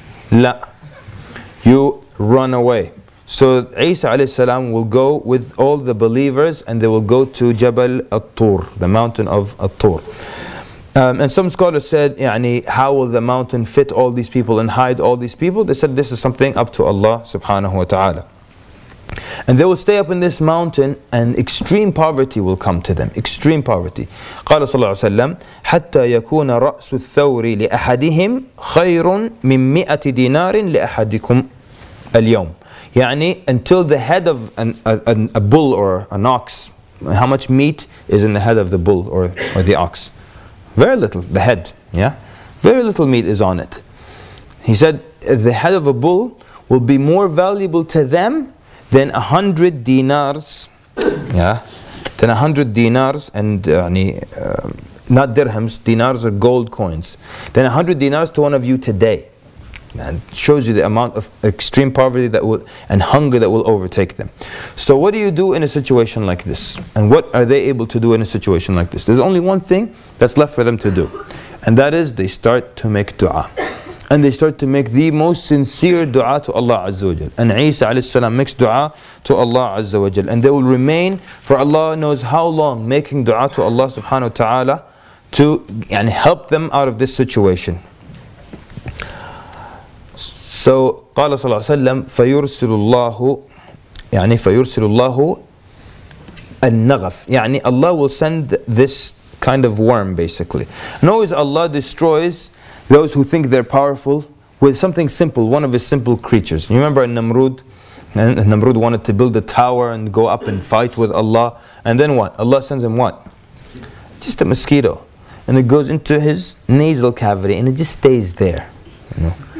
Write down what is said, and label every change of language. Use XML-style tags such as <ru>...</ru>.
<en>La, you run away. So Isa alayhi salam will go with all the believers and they will go to Jabal al-Tur, the mountain of al-Tur. And some scholars said, yani, how will the mountain fit all these people and hide all these people? They said this is something up to Allah subhanahu wa ta'ala. And they will stay up in this mountain and extreme poverty will come to them. Extreme poverty.</en> <ar>قال صلى الله عليه وسلم حتى يكون رأس الثور لأحدهم خير من مئة دينار لأحدكم اليوم.</ar> <en>يعني until the head of a bull or an ox, how much meat is in the head of the bull or the ox? Very little, the head. Yeah, very little meat is on it. He said the head of a bull will be more valuable to them than 100 dinars, yeah, than 100 dinars and not dirhams, dinars are gold coins, than 100 dinars to one of you today. And shows you the amount of extreme poverty that will and hunger that will overtake them. So what do you do in a situation like this? And what are they able to do in a situation like this? There's only one thing that's left for them to do. And that is they start to make dua. And they start to make the most sincere dua to Allah Azza wa Jal. And Isa alayhi salam makes dua to Allah Azza wa Jal. And they will remain for Allah knows how long making dua to Allah subhanahu wa ta'ala to and help them out of this situation.</en> <ar>So قال صلى الله عليه وسلم فيرسل الله يعني فيرسل الله النغف يعني</ar> <en>Allah will send this kind of worm basically. And always Allah destroys those who think they're powerful with something simple, one of his simple creatures. You remember in Namrud? And Namrud wanted to build a tower and go up and fight with Allah. And then what? Allah sends him what? Just a mosquito. And it goes into his nasal cavity and it just stays there. You know?</en>